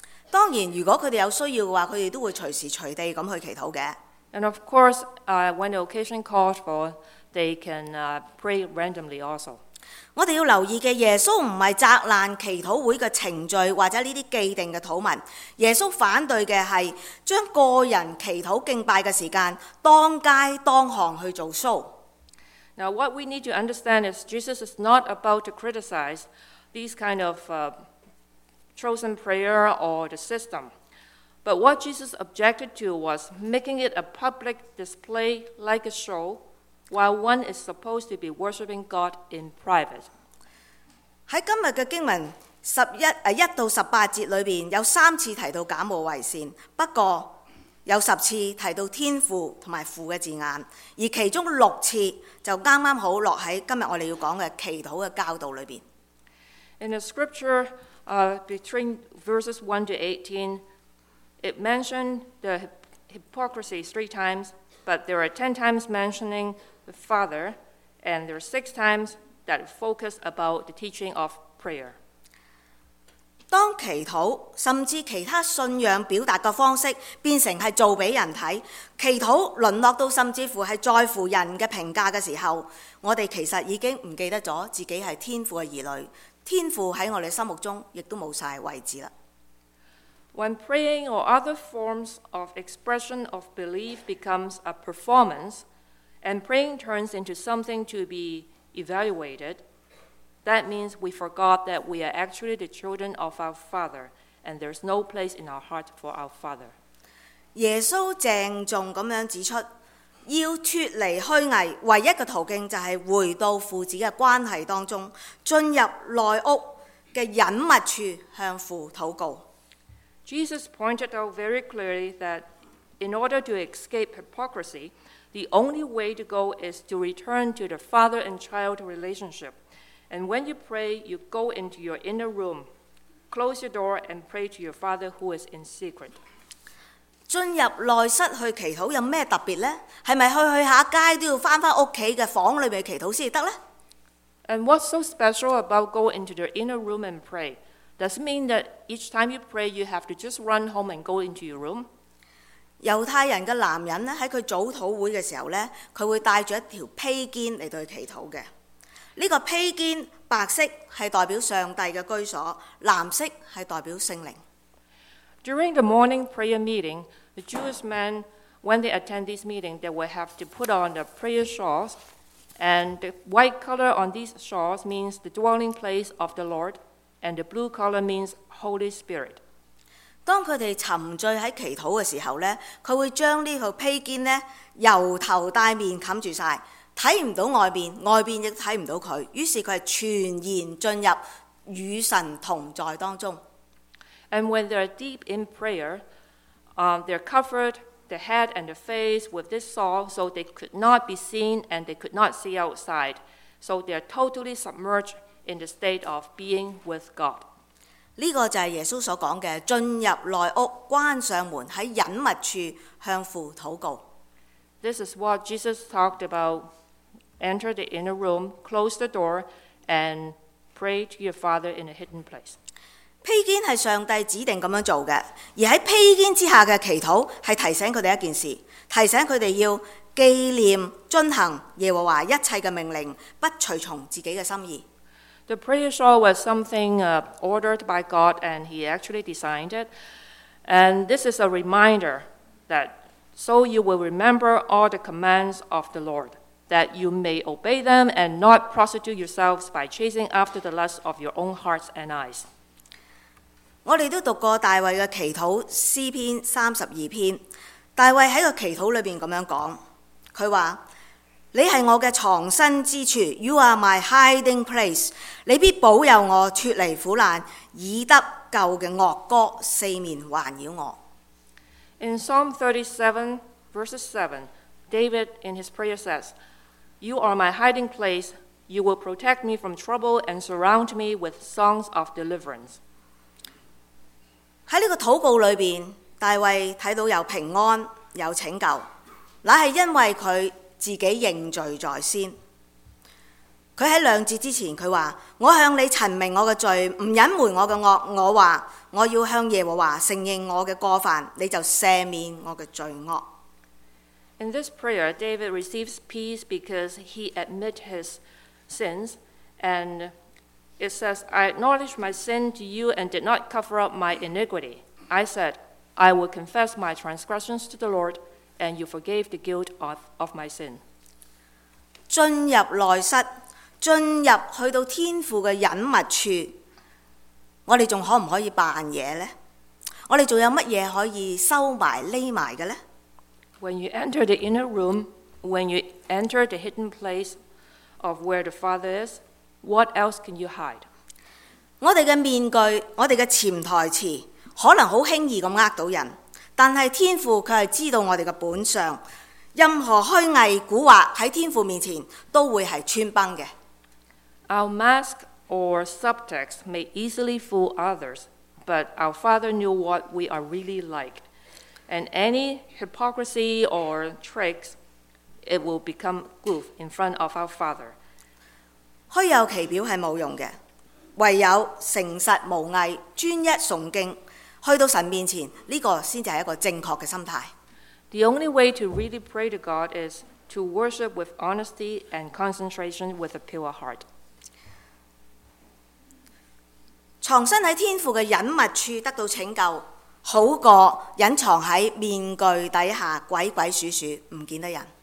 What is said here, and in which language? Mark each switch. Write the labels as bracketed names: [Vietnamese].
[Chinese] 当然如果他们有需要的话，他们都会随时随地去祈祷的。 [English] And of course, when the occasion calls for, they can pray randomly also. [Chinese] 我们要留意的，耶稣不是责难祈祷会的程序或者这些既定的祷文，耶稣反对的是将个人祈祷敬拜的时间当街当行去做 show。 [English] Now what we need to understand is Jesus is not about to criticize these kind of chosen prayer or the system. But what Jesus objected to was making it a public display like a show, while one is supposed to be worshiping God in private. [Chinese] 在今天的经文1-18节里面有3次提到假冒为善，不过有10次提到天父和父的字眼，而其中6次就刚刚好落在今天我们要讲的祈祷的教导里面。 [English] In the scripture, between verses 1 to 18,It mentioned the hypocrisy 3 times, but there are 10 times mentioning the Father, and there are 6 times that focus about the teaching of prayer. [Chinese] 当祈祷甚至其他信仰表达的方式变成是做给人看，祈祷沦落到甚至乎是在乎人的评价的时候，我们其实已经不记得了自己是天父的儿女，天父在我们心目中也都没有位置了。 [English] When praying or other forms of expression of belief becomes a performance, and praying turns into something to be evaluated, that means we forgot that we are actually the children of our Father, and there's no place in our heart for our Father. [Chinese] 耶稣郑重地指出，要脱离虚伪，唯一的途径就是回到父子的关系当中，进入内屋的隐密处向父祷告。 [English] Jesus pointed out very clearly that in order to escape hypocrisy, the only way to go is to return to the father and child relationship. And when you pray, you go into your inner room, close your door, and pray to your father who is in secret. [Chinese] 进入内室去祈祷有什么特别呢？是不是去下街都要回家的房里面祈祷才行呢？ [English] And what's so special about going into the inner room and pray? Does it mean that each time you pray, you have to just run home and go into your room? [Chinese] 猶太人的男人在他早禱會的時候，他會帶著一條披肩來對祈禱的。這個披肩白色是代表上帝的居所，藍色是代表聖靈。 [English] During the morning prayer meeting, the Jewish men, when they attend this meeting, they will have to put on the prayer shawls, and the white color on these shawls means the dwelling place of the Lord, and the blue color means Holy Spirit. [Chinese] 當他們沉醉在祈禱的時候，他會將這條披肩由頭戴面蓋住，看不到外面，外面也看不到他，於是他全然進入與神同在當中。 [English] And when they are deep in prayer, they are covered, the head and the face, with this shawl, so they could not be seen and they could not see outside. So they are totally submerged in the state of being with God. [Chinese] 这个就是耶稣所说的，进入内屋，关上门，在隐密处向父祷告。 [English] This is what Jesus talked about. Enter the inner room, close the door, and pray to your Father in a hidden place. [Chinese] 披肩是上帝指定这样做的，而在披肩之下的祈祷是提醒他们一件事，提醒他们要纪念遵行耶和华一切的命令，不随从自己的心意。 [English] The prayer shawl was something ordered by God and he actually designed it. And this is a reminder that so you will remember all the commands of the Lord, that you may obey them and not prostitute yourselves by chasing after the lusts of your own hearts and eyes. [Chinese] 我们都读过大卫的祈祷诗篇32篇，大卫在祈祷里面这样说，他说，你是我的藏身之处， [English] You are my hiding place， [Chinese] 你必保佑我脱离苦难，以得救的恶歌四面环绕我。 [English] In Psalm 37 verses 7, David in his prayer says, You are my hiding place, You will protect me from trouble and surround me with songs of deliverance. [Chinese] 在这个祷告里面，大卫看到有平安，有拯救，那是因为他自己认罪在先。他在两节之前，他说，我向你陈明我的罪，不隐瞒我的恶，我说，我要向耶和华承认我的过犯，你就赦免我的罪恶。 [English] In this prayer, David receives peace because he admits his sins and... It says, I acknowledge my sin to you and did not cover up my iniquity. I said, I will confess my transgressions to the Lord, and you forgave the guilt of my sin. [Chinese] 进入内室，进入去到天父的隐密处，我们还可不可以扮野呢？我们还有什么可以收埋匿埋的呢？ [English] When you enter the inner room, when you enter the hidden place of where the Father is,What else can you hide? [Chinese] 我们的面具，我们的潜台词，可能很轻易地骗到人，但是天父他是知道我们的本相，任何虚伪蛊惑在天父面前都会是穿崩的。 [English] Our mask or subtext may easily fool others, but our Father knew what we are really like. And any hypocrisy or tricks, it will become goof in front of our Father. [Chinese] 虚有其表是没用的，唯有诚实无伪，专一崇敬，去到神面前，这个才是一个正确的心态。 [English] The only way to really pray to God is to worship with honesty and concentration with a pure heart. [Chinese] 藏身在天父的隐密处得到拯救，好过隐藏在面具底下鬼鬼祟祟不见得人。